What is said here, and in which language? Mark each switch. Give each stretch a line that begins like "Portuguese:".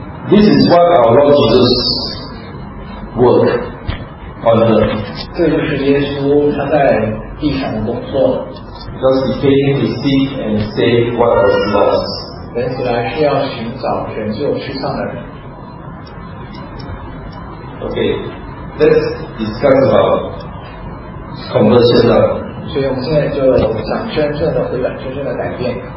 English: This is what our Lord Jesus worked on earth.
Chinese: 这就是耶稣他在地上的工作。
English: Because he came to seek and save what was lost.
Chinese: 人起来是要寻找拯救失丧的人。
English: Okay, let's discuss about conversion now.
Chinese: 所以我们现在就讲真正的回转，真正的改变。